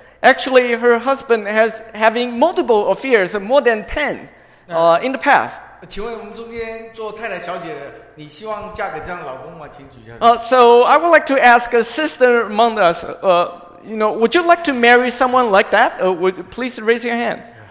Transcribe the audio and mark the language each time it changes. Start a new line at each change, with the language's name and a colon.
English: Actually, her husband has having multiple affairs more than 10 in the past.
Chinese: 请问我们中间做太太小姐的，你希望嫁给这样的老公吗？请举下。
English: So I would like to ask a sister among us. You know, would you like to marry someone like that? Please raise your hand.